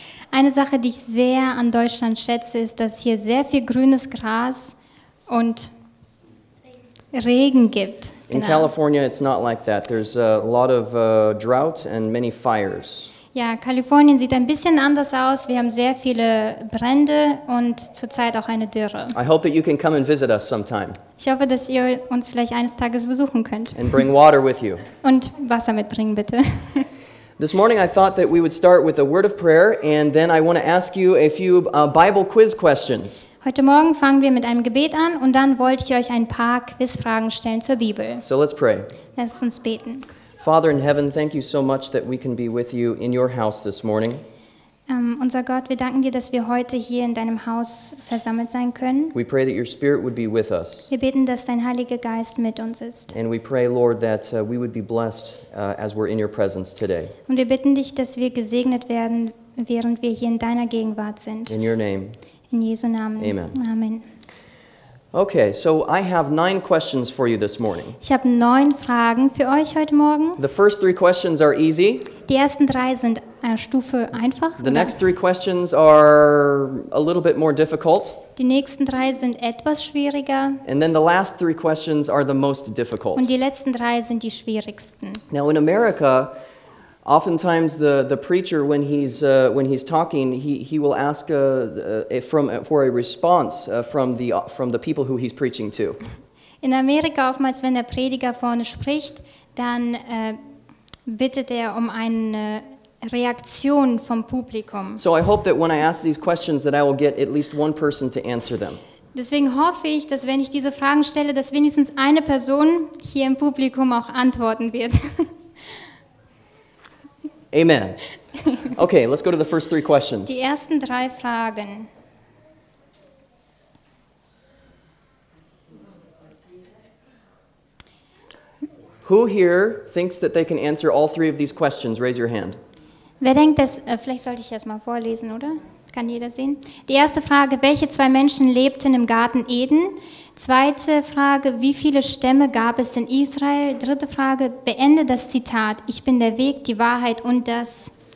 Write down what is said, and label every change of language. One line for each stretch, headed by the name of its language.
German: Eine Sache, die ich sehr an Deutschland schätze, ist, dass hier sehr viel grünes Gras und Regen gibt. Genau.
English: In California, it's not like that. There's a lot of drought and many fires.
German: Ja, Kalifornien sieht ein bisschen anders aus. Wir haben sehr viele Brände und zurzeit auch eine Dürre.
English: I hope that you can come and visit us sometime.
German: Ich hoffe, dass ihr uns vielleicht eines Tages besuchen könnt.
English: And bring water with you.
German: Und Wasser mitbringen, bitte.
English: This morning I thought that we would start with a word of prayer and then I want to ask you a few Bible quiz questions.
German: Heute Morgen fangen wir mit einem Gebet an und dann wollte ich euch ein paar Quizfragen stellen zur Bibel.
English: So let's pray.
German: Lasst uns beten.
English: Father in heaven, thank you so much that we can be with you in your house this morning.
German: Unser Gott, wir danken dir, dass wir heute hier in deinem Haus versammelt sein können.
English: We pray that your spirit would be with us.
German: Wir beten, dass dein Heiliger Geist mit uns ist.
English: And we pray, Lord, that we would be blessed as we're in your presence today.
German: Und wir bitten dich, dass wir gesegnet werden, während wir hier in deiner Gegenwart sind.
English: In your name.
German: In Jesu Namen.
English: Amen.
German: Amen.
English: Okay, so I have 9 questions for you this morning.
German: Ich habe 9 Fragen für euch heute Morgen.
English: The first 3 questions are easy.
German: Die ersten 3 sind Stufe einfach.
English: The next 3 questions are a little bit more difficult.
German: Die nächsten 3 sind etwas schwieriger.
English: And then the last 3 questions are the most difficult.
German: Und die letzten 3 sind die schwierigsten.
English: Now in America, oftentimes the preacher, when he's talking, he will ask for a response from the people who he's preaching to.
German: In Amerika oftmals, wenn der Prediger vorne spricht, dann bittet um eine Reaktion vom Publikum.
English: So I hope that when I ask these questions, that I will get at least one person to answer them.
German: Deswegen hoffe ich, dass wenn ich diese Fragen stelle, dass wenigstens eine Person hier im Publikum auch antworten wird.
English: Amen. Okay, let's go to the first 3 questions.
German: Die ersten 3 Fragen.
English: Who here thinks that they can answer all 3 of these questions? Raise your hand.
German: Wer denkt, dass, vielleicht sollte ich erst mal vorlesen, oder? Kann jeder sehen? Die erste Frage, welche 2 Menschen lebten im Garten Eden? Zweite Frage, wie viele Stämme gab es in Israel? Dritte Frage, beende das Zitat, ich bin der Weg, die Wahrheit und das.